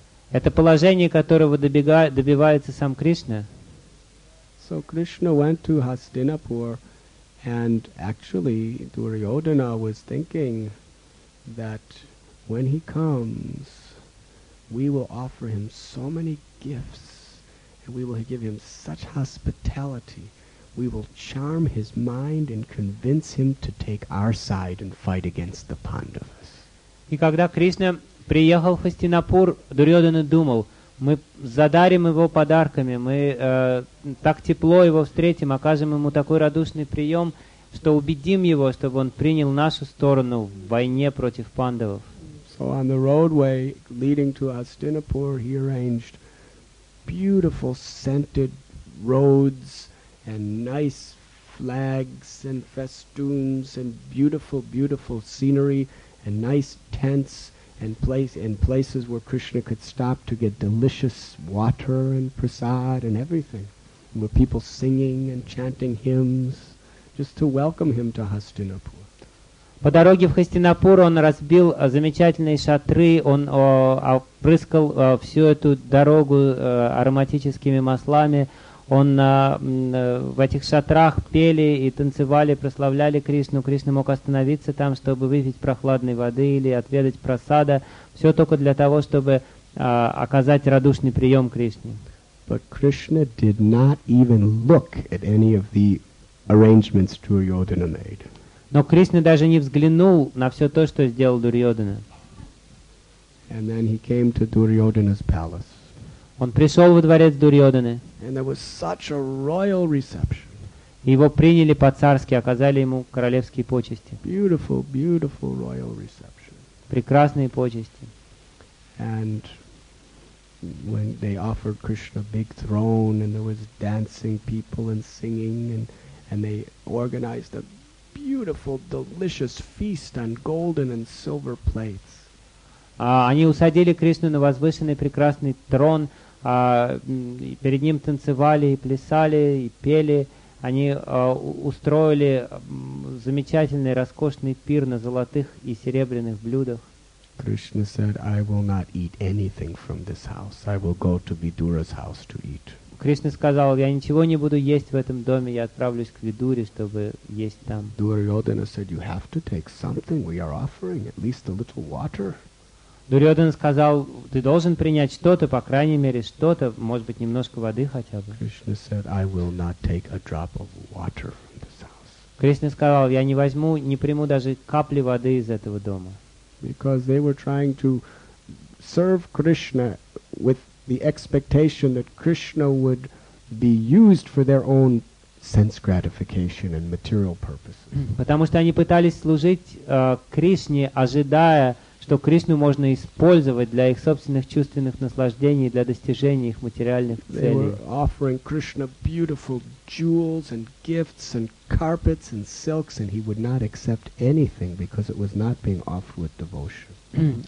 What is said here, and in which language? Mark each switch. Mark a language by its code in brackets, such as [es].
[ru] Это положение, которого добивается сам Кришна. [en] So Krishna went to Hastinapur, and actually Duryodhana was thinking that when he comes, we will offer him so many gifts, and we will give him such hospitality. We will charm his mind and convince him to take our side and fight against the Pandavas. [ru] И когда Кришна приехал в Хастинапур, Дурьодхана думал, мы задарим его подарками, мы так тепло его встретим, окажем ему такой радушный прием, что убедим его, чтобы он принял нашу сторону в войне против пандавов. [en] So on the roadway leading to Hastinapur, he arranged beautiful scented roads and nice flags and festoons and beautiful, beautiful scenery and nice tents and places where Krishna could stop to get delicious water and prasad and everything. And with people singing and chanting hymns just to welcome him to Hastinapur. [ru] По дороге в Хастинапур он разбил замечательные шатры, он опрыскал всю эту дорогу ароматическими маслами. Он в этих шатрах пели и танцевали, прославляли Кришну. Кришна мог остановиться там, чтобы выпить прохладной воды или отведать прасада. Все только для того, чтобы оказать радушный прием Кришне. [en] But Krishna did not even look at any of the arrangements Duryodhana made. [ru] Но Кришна даже не взглянул на все то, что сделал Дурьодхана. [en] And then he came to Duryodhana's palace. [ru] Он пришел во дворец Дурьодханы. [en] And there was such a royal reception. [ru] Его приняли по-царски, оказали ему королевские почести. [en] Beautiful, beautiful royal reception. [ru] Прекрасные почести. [en] And when they offered Krishna a big throne, and there was dancing people and singing, and they organized a beautiful, delicious feast on golden and silver plates. [ru] Они усадили Кришну на возвышенный прекрасный трон, перед ним танцевали и плясали и пели. Они устроили замечательный, роскошный пир на золотых и серебряных блюдах. [en] Krishna said, I will not eat anything from this house. I will go to Vidura's house to eat. [ru] Krishna сказал, я ничего не буду есть в этом доме, я отправлюсь к Видуре, чтобы есть там. [en] Duryodhana said, you have to take something we are offering, at least a little water. [ru] Дурьодхана сказал, ты должен принять что-то, по крайней мере что-то, может быть, немножко воды хотя бы. [en] Krishna said, I will not take a drop of water from this house. [ru] Krishna сказал, я не возьму, не приму даже капли воды из этого дома. [en] Because they were trying to serve Krishna with the expectation that Krishna would be used for their own sense gratification and material purposes. [ru] Потому что они пытались служить Кришне, ожидая, что Кришну можно использовать для их собственных чувственных наслаждений, для достижения их материальных целей. [en] They were offering Krishna beautiful jewels and gifts and carpets and silks, and he would not accept anything because it was not being offered with devotion.